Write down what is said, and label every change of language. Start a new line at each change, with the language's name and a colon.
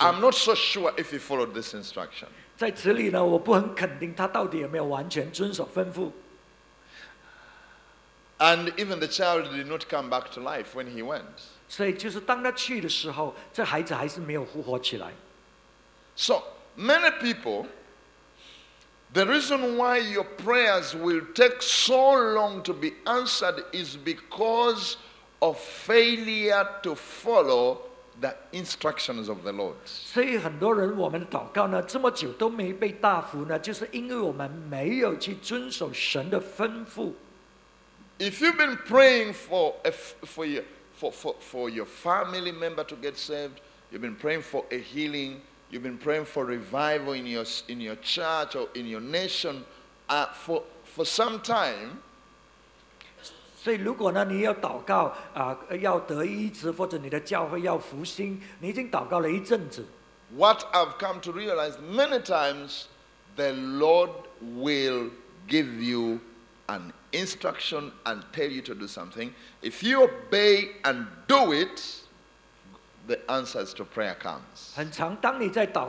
English: I'm not so sure if he followed this instruction.
Chinese: 在此里呢，我不很肯定他到底有没有完全遵守吩咐。
English: And even the child did not come back to life when he went.
Chinese: 所以就是当他去的时候，这孩子还是没有复活起来。
English: So many people, the reason why your prayers will take so long to be answered is because of failure to follow the instructions of the Lord.
Chinese: 所以很多人我们祷告呢，这么久都没被答复呢，就是因为我们没有去遵守神的吩咐。
English: If you've been praying for your family member to get saved, you've been praying for a healing, You've been praying for revival in your church or in your nation for some time.
Chinese: 所以如果呢，你要祷告， 要得医治，或者你的教会要复兴，你已经祷告了一阵子。
English: What I've come to realize many times, the Lord will give you an instruction and tell you to do something. If you obey and do it, the answers to prayer comes.